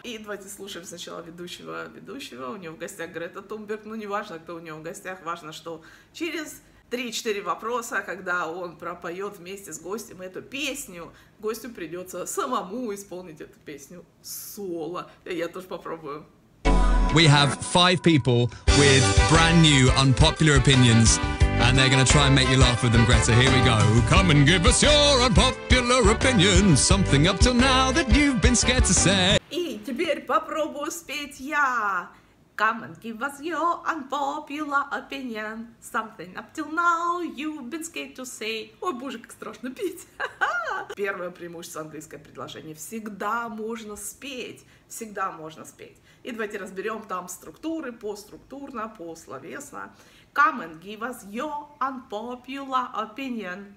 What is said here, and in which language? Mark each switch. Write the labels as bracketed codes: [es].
[ru] И давайте слушаем сначала ведущего. У него в гостях Грета Тунберг. Ну, не важно, кто у него в гостях. Важно, что через 3-4 вопроса, когда он пропоет вместе с гостем эту песню, гостю придется самому исполнить эту песню соло. Я тоже попробую. [en] We have 5 people with brand new unpopular opinions. And they're going to try and make you laugh with them, Greta. Here we go. Come and give us your unpopular opinion. Something up till now that you've been scared to say. [ru] И теперь попробую спеть я. [en] Come and give us your unpopular opinion. Something up till now you've been scared to say. [ru] Ой, боже, как страшно петь. Первое преимущество английского предложения. Всегда можно спеть. Всегда можно спеть. И давайте разберем там структуры, поструктурно, пословесно. [en] Come and give us your unpopular opinion.